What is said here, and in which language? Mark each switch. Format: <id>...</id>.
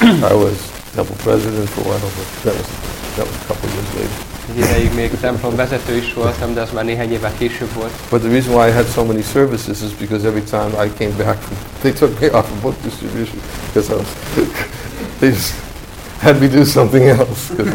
<en>I was temple president for a while, but that was a couple years later.</en> <hu>Egy ideig még templom vezető is voltam, de az már néhány évvel később volt.</hu> <en>But the reason why I had so many services is because every time I came back, they took me off of book distribution because I was had me do something else.</en>